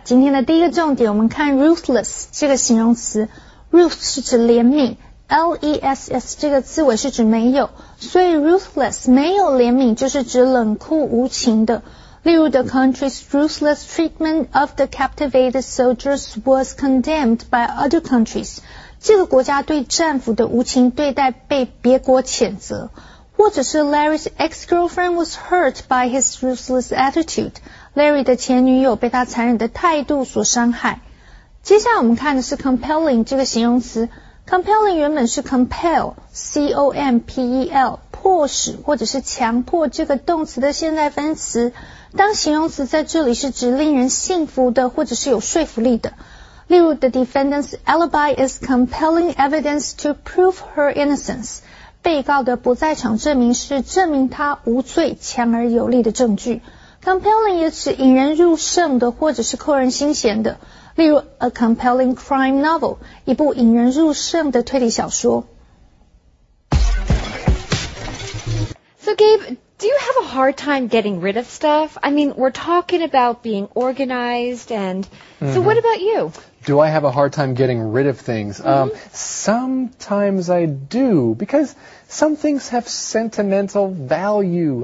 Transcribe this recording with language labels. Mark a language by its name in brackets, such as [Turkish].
[Chinese] 今天的第一个重点，我们看 ruthless 这个形容词。 Ruth 是指怜悯 ，less 这个字尾是指没有，所以 ruthless 没有怜悯，就是指冷酷无情的。例如 [English] ，The country's ruthless treatment of the captivated soldiers was condemned by other countries. [Chinese] 这个国家对战俘的无情对待被别国谴责。或者是 [English] Larry's ex-girlfriend was hurt by his ruthless attitude. [Chinese] Larry 的前女友被他残忍的态度所伤害。接下来我们看的是 compelling 这个形容词。compelling 原本是 compel, C-O-M-P-E-L, 迫使或者是强迫这个动词的现在分词。当形容词在这里是指令人信服的或者是有说服力的。例如 [English] The defendant's alibi is compelling evidence to prove her innocence. [Chinese] 被告的不在场证明是证明他无罪强而有力的证据。 Compelling 也指引人入胜的或者是扣人心弦的。例如 , [English] a compelling crime novel, [Chinese] 一部引人入胜的推理小说。 [English] So Gabe, do you have a hard time getting rid of stuff? I mean, we're talking about being organized and... So what about you? Do I have a hard time getting rid of things? Sometimes I do, because some things have sentimental value.